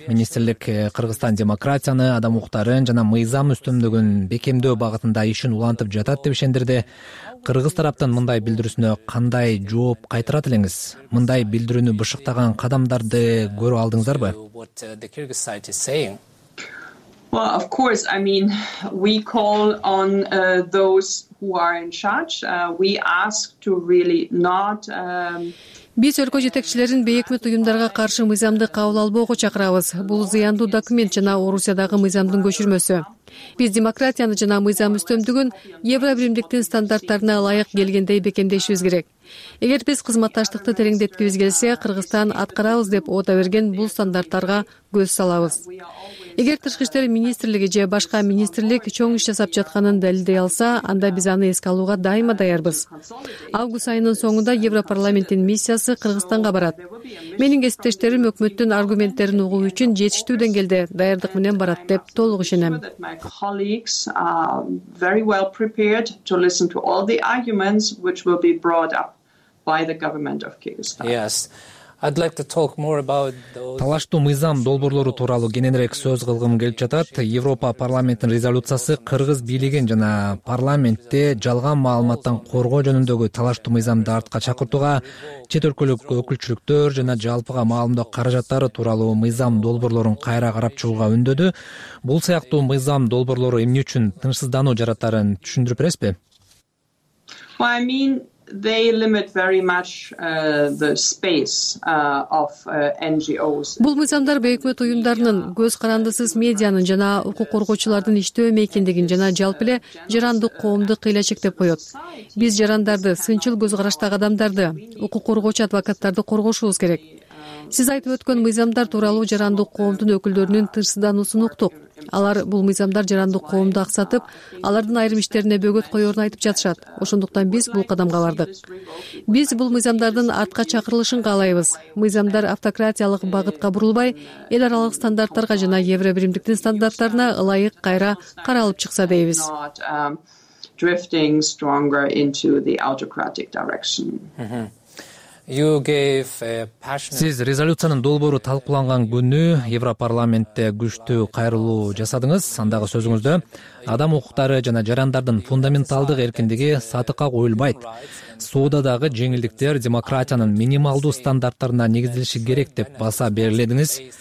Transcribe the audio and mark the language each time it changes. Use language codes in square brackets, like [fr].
[ky] Министрлик Кыргызстан демократияны, адам укуктарын жана мыйзам үстөмдүгүн бекемдөө багытында ишин улантып жатат деп ишендирди. Кыргыз тараптын мындай билдирүүсүнө кандай жооп кайтарат элеңиз? Мындай билдирүүнү бышыктаган кадамдарды көрүп алдыңыздарбы? [en] Well, of course, I mean, we call on those who are in charge. We ask to really not... [ky] Биз өлкө жетекчилерин бейөкмөт уюмдарга каршы мыйзамды кабыл албоого чакырабыз. Бул зыяндуу документ жана Орусиядагы мыйзамдын көчүрмөсү. Биз демократияны жана мыйзам үстөмдүгүн Евробиримдиктин стандарттарына ылайык келгендей бекемдешибиз керек. Эгер биз кызматташтыкты тереңдеткибиз келсе, Кыргызстан аткарабыз деп ода берген бул стандарттарга көз салабыз. Эгер тышкы иштер министрлиги же башка министрлик чоң иш жасап жатканын далилдей алса, анда биз аны эске алууга дайыма даярбыз. Август айынын соңунда Европарламенттин миссиясы Кыргызстанга барат. Менин кесиптештерим өкмөттүн аргументтерин угуу үчүн жетиштүү деңгээлде даярдык менен барат деп толук ишенем. [en] My colleagues are very well prepared to listen to all the arguments which will be brought up by the government of Kyrgyzstan. Yes. I'd like to talk more about those [ky] талаштуу мыйзам долбоорлору тууралуу кененирээк сөз кылгым келип жатат. Европа парламенттин резолюциясы кыргыз бийлигин жана парламентте жалган маалыматтан коргоо жөнүндөгү талаштуу мыйзамды артка чакыртууга, чет өлкөлүк өкүлчүлүктөр жана жалпыга маалымдоо каражаттары тууралуу мыйзам долбоорлорун кайра карап чыгууга үндөдү. Бул сыяктуу мыйзам долбоорлору эмне үчүн тынчсыздануу жаратарын түшүндүрүп бересизби? [en] Well, I mean, they limit very much the space of NGOs. [ky] Бул мыйзамдар бейөкмөт уюмдарынын, көз карандысыз медианын жана укук коргоочулардын иштөө мейкиндигин жана жалпы эле жарандык коомду кыйла чектеп коёт. Биз жарандарды, сынчыл көз караштагы адамдарды, укук коргоочу адвокаттарды коргошубуз керек. Сиз айтып өткөн мыйзамдар тууралуу жарандык коомдун өкүлдөрүнүн тынчсыздануусун уктук. Алар бул мыйзамдар жарандык коомду аксатып, алардын айрым иштерине бөгөт коёрун айтып жатышат. Ошондуктан биз бул кадамга бардык. Биз бул мыйзамдардын артка чакырылышын каалайбыз. Мыйзамдар автократиялык багытка бурулбай, эл аралык стандарттарга жана Евробиримдиктин стандарттарына ылайык кайра каралып чыкса дейбиз. [en] Drifting stronger into the autocratic direction. [ky] Сиз резолюциянын долбоору талкууланган күнү Европарламентте күчтүү кайрылуу жасадыңыз. Андагы сөзүңүздө адам укуктары жана жарандардын фундаменталдык эркиндиги сатыкка коюлбайт, соодадагы жеңилдиктер демократиянын минималдуу стандарттарына негизделиши керек деп баса белгиледиңиз.